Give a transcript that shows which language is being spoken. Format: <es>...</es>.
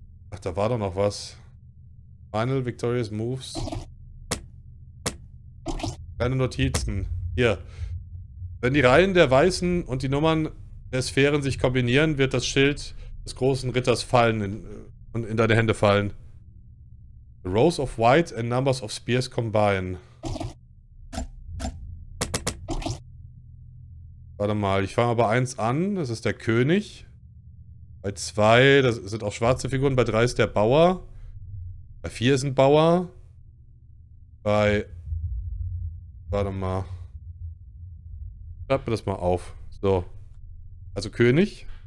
<de>Ach, da war doch noch was.</de> <en>Final Victorious Moves.</en> <de>Keine Notizen. Hier. Wenn die Reihen der Weißen und die Nummern der Sphären sich kombinieren, wird das Schild des großen Ritters fallen und in deine Hände fallen.</de> <en>The Rows of White and Numbers of Spears combine.</en> <de>Warte mal, ich fange aber eins an. Das ist der König. Bei zwei, das sind auch schwarze Figuren. Bei drei ist der Bauer. Bei vier ist ein Bauer. Bei... Warte mal. Schreib mir das mal auf. So. Also König.</de>